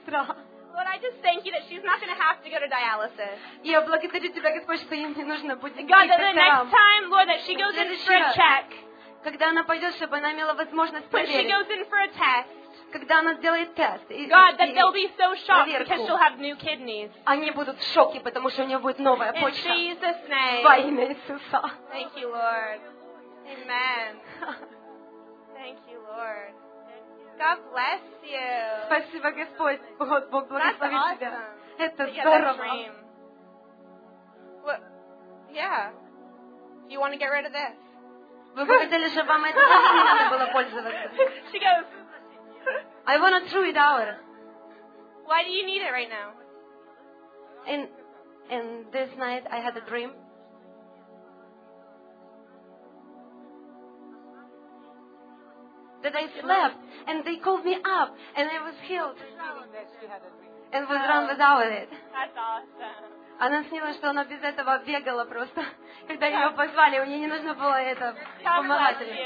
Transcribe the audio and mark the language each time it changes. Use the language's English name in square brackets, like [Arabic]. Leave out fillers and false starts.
[English] Lord, I just thank you that she's not going to have to go to dialysis. [Russian] Я благодарю тебя, Господь, что ей не нужно будет идти. [English] God, that the next time, Lord, that she goes in for a check. [Russian] Когда она пойдет, чтобы она имела возможность проверить. [English] When she goes in for a test. [Russian] Когда она сделает тест. [English] God, that they'll be so shocked because she'll have new kidneys. [Russian] Они будут в шоке, потому что у нее будет новая почка. [English] In Jesus' name. [Russian] Во имя Иисуса. [English] Thank you, Lord. Amen. Thank you, Lord. God bless you. [Russian] Спасибо, Господь. Бог благословит тебя. Это здорово. [English] Yeah. You want to get rid of this? [Russian] Вы хотели, чтобы вам это не надо было пользоваться? [English] She goes... I want to throw it out. Why do you need it right now? In this night, I had a dream. That I slept, and they called me up, and I was healed. And was run without it. That's awesome. [Russian] Она снила, что она без этого бегала просто, когда ее позвали, у нее не нужно было это помогать.